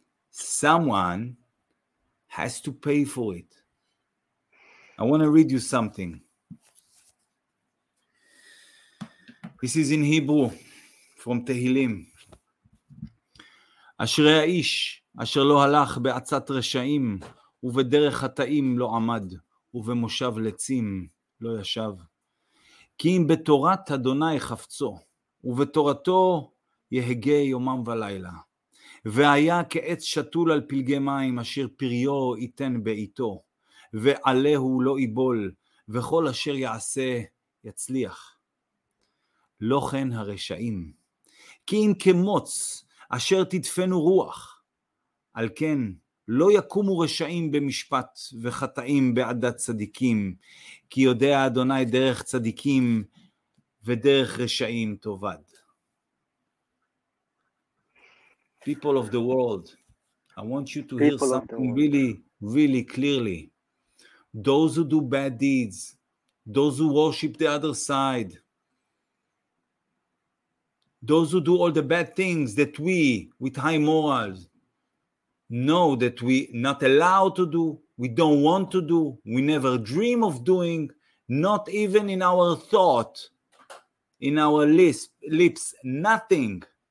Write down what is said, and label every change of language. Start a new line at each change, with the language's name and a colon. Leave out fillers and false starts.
English: someone has to pay for it. I want to read you something. This is in Hebrew from Tehillim.
Hebrew: Ashrei ha'ish asher lo halach be'atzat reshaim ובדרך חטאים לא עמד, ובמושב לצים לא ישב. כי אם בתורת אדוני חפצו, ובתורתו יהגה יומם ולילה. והיה כעץ שתול על פלגי מים, אשר פריו ייתן בעיתו, ועליהו לא ייבול, וכל אשר יעשה יצליח. לא כן הרשעים. כי אם כמוץ, אשר תדפנו רוח, על כן לא יקומו רשעים במשפט וחטאים בעדת צדיקים, כי יודע אדוני דרך צדיקים ודרך רשעים תובד.
English: People of the world, I want you to hear something really, really clearly. Those who do bad deeds, those who worship the other side, those who do all the bad things that we, with high morals, know that we not allowed to do, we don't want to do, we never dream of doing, not even in our thought, in our lips, nothing.